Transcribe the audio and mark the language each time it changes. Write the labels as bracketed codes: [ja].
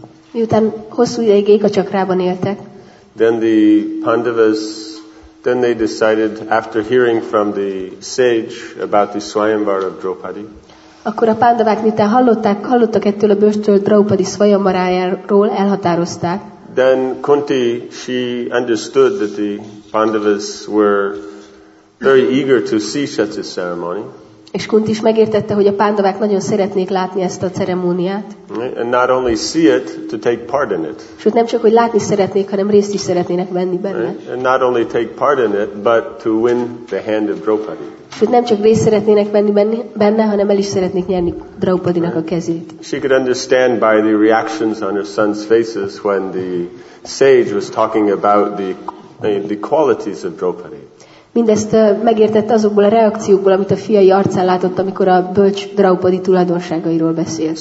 [hu] miután hosszú ideig Eka Chakrában éltek, [en] then the Pandavas, then they decided after hearing from the sage about the Swayamvar of Draupadi. [hu] Akkor a Pandavák, miután hallottak ettől a bőstől Draupadi Svayamvarájáról, elhatározták. [en] Then Kunti, she understood that the Pandavas were very eager to see such a ceremony. [hu] És Kunti is megértette, hogy a Pandavák nagyon szeretnék látni ezt a ceremóniát. [en] And not only see it, to take part in it. [hu] Sőt, nem csak, hogy látni szeretnék, hanem részt is szeretnének venni benne. [en] And not only take part in it, but to win the hand of Draupadi. [hu] Sőt, nem csak részt szeretnének venni benne, hanem el is szeretnék nyerni Draupadinak a kezét. [en] She could understand by the reactions on her son's faces when the sage was talking about the qualities of Draupadi. [hu] Mindezt megértett azokból a reakciókból, amit a fiai arcán látott, amikor a bölcs Draupadi tulajdonságairól beszélt.